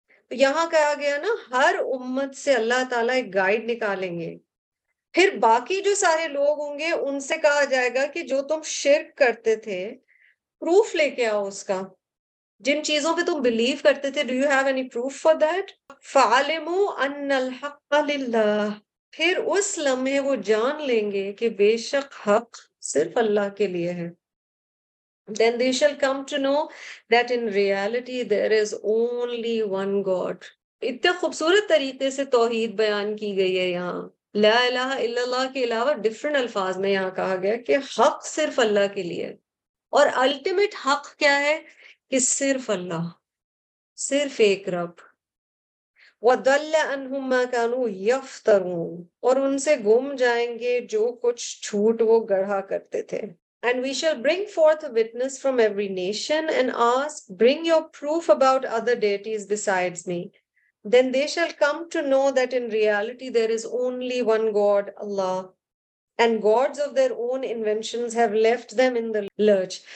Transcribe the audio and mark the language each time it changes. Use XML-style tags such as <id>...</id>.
<ur>تو یہاں کہا گیا نا ہر امت سے اللہ تعالیٰ ایک گائیڈ نکالیں گے, پھر باقی جو سارے لوگ ہوں گے ان سے کہا جائے گا کہ جو تم شرک کرتے تھے پروف لے کے آؤ اس کا, جن چیزوں پہ تم بلیو کرتے تھے,</ur> <en>Do you have any proof for that.</en> <ar>فعلموا ان الحق للہ,</ar> <ur>پھر اس لمحے وہ جان لیں گے کہ بے شک حق صرف اللہ کے لیے ہے.</ur> <en>Then they shall come to know that in reality there is only one god.</en> <ur>اتنے خوبصورت طریقے سے توحید بیان کی گئی ہے یہاں, لا الہ الا اللہ کے علاوہ ڈفرنٹ الفاظ میں یہاں کہا گیا کہ حق صرف اللہ کے لیے, اور الٹیمیٹ حق کیا ہے کہ صرف اللہ, صرف ایک رب.</ur> <ar>وَضَلَّ عَنْهُمْ مَا كَانُوا يَفْتَرُونَ,</ar> <ur>اور ان سے گم جائیں گے جو کچھ جھوٹ وہ گڑھا کرتے تھے.</ur> <en>And we shall bring forth witness from every nation and ask bring your proof about other deities besides me, then they shall come to know that in reality there is only one god Allah and gods of their own inventions have left them in the lurch.</en>